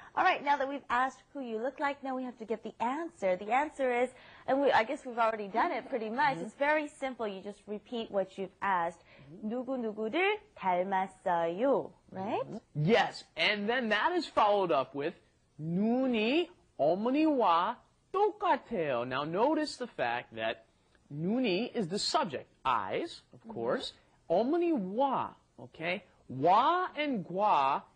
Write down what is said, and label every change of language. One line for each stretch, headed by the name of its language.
English: All right, now that we've asked who you look like, now we have to get the answer. The answer is, and I guess we've already done it pretty much. Mm-hmm. It's very simple. You just repeat what you've asked.
Korean: 누구 누구를 닮았어요,
English: right? Yes, and then that is followed up with
Korean: 눈이 어머니와 똑같아요.
English: Now notice the fact that 눈이 is the subject, eyes, of course. 어머니와, okay? 와 and 과